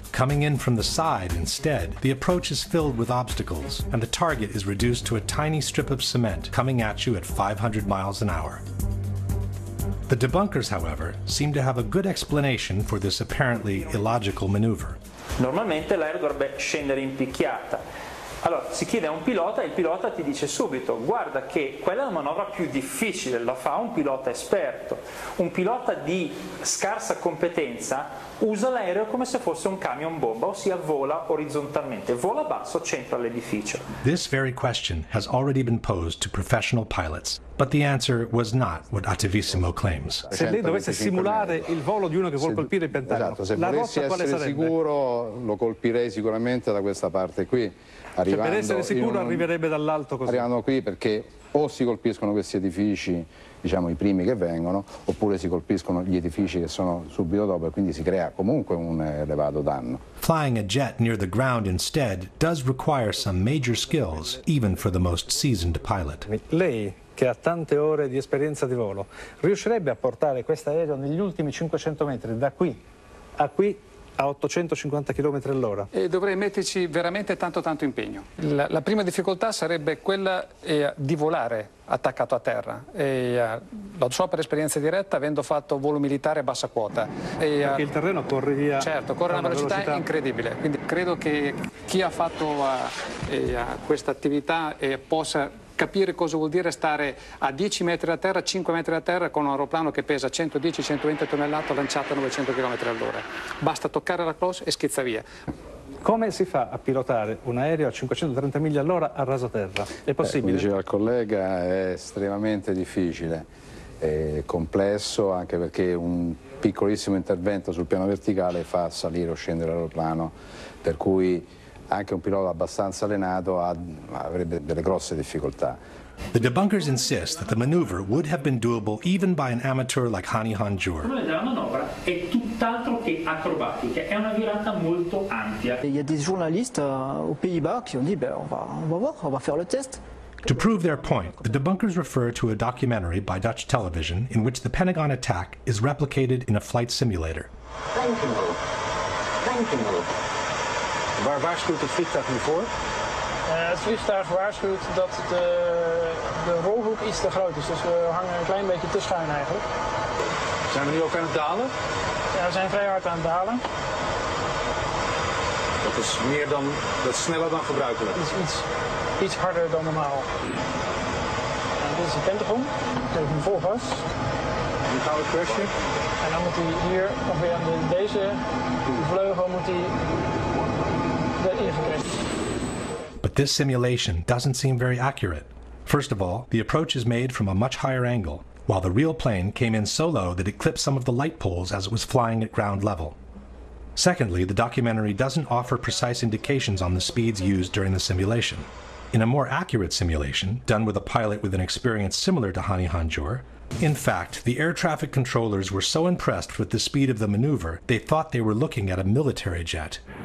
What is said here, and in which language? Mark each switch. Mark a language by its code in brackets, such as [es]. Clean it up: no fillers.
[en] Coming in from the side instead, the approach is filled with obstacles, and the target is reduced to a tiny strip of cement coming at you at 500 miles an hour. The debunkers, however, seem to have a good explanation for this apparently illogical maneuver. [it] Normalmente l'aereo dovrebbe scendere in picchiata. Allora, si chiede a un pilota e il pilota ti dice subito, guarda che quella è la manovra più difficile, la fa un pilota esperto. Un pilota di scarsa competenza usa l'aereo come se fosse un camion bomba, ossia vola orizzontalmente, vola basso, centra l'edificio. [en] This very question has already been posed to professional pilots, but the answer was not what Attivissimo claims. [it] Se lei dovesse simulare il volo di uno che vuole colpire il Pentagono, esatto, se volessi rotta, quale essere sarebbe? Sicuro, lo colpirei sicuramente da questa parte qui. Cioè, per essere sicuro arriverebbe dall'alto così. Arrivando qui perché o si colpiscono questi edifici, diciamo i primi che vengono, oppure si colpiscono gli edifici che sono subito dopo e quindi si crea comunque un elevato danno. [en] Flying a jet near the ground instead does require some major skills, even for the most seasoned pilot. [it] Lei, che ha tante ore di esperienza di volo, riuscirebbe a portare questo aereo negli ultimi 500 metri da qui a qui? A 850 km all'ora. E dovrei metterci veramente tanto impegno. La prima difficoltà sarebbe quella di volare attaccato a terra. Lo so per esperienza diretta, avendo fatto volo militare a bassa quota. Perché il terreno corre via. Certo, corre a una velocità incredibile. Quindi credo che chi ha fatto questa attività possa capire cosa vuol dire stare a 10 metri da terra, 5 metri da terra con un aeroplano che pesa 110-120 tonnellate lanciato a 900 km all'ora. Basta toccare la close e schizza via. Come si fa a pilotare un aereo a 530 miglia all'ora a raso terra? È possibile? Come diceva il collega, è estremamente difficile, è complesso anche perché un piccolissimo intervento sul piano verticale fa salire o scendere l'aeroplano, per cui anche un pilota abbastanza allenato avrebbe delle grosse difficoltà. [en] The debunkers insist that the maneuver would have been doable even by an amateur like Hani Hanjour. [it] Il problema della manovra è tutt'altro che acrobatica, è una virata molto ampia. [fr] Il y a des journalistes aux Pays-Bas qui ont dit ben on va voir, on va faire le test. [en] To prove their point, the debunkers refer to a documentary by Dutch television in which the Pentagon attack is replicated in a flight simulator. [nl] Waar waarschuwt het vliegtuig nu voor? Het vliegtuig waarschuwt dat de rolhoek iets te groot is, dus we hangen een klein beetje te schuin eigenlijk. Zijn we nu ook aan het dalen? Ja, we zijn vrij hard aan het dalen. Dat is meer dan, dat is sneller dan gebruikelijk? Iets harder dan normaal. En dit is de Pentagon, geef hem vol gas. En dan gaan we crashen. En dan moet hij hier, of weer aan deze vleugel, moet hij erin gecrashen. [en] But this simulation doesn't seem very accurate. First of all, the approach is made from a much higher angle, while the real plane came in so low that it clipped some of the light poles as it was flying at ground level. Secondly, the documentary doesn't offer precise indications on the speeds used during the simulation. In a more accurate simulation, done with a pilot with an experience similar to Hani Hanjour, in fact, the air traffic controllers were so impressed with the speed of the maneuver, they thought they were looking at a military jet.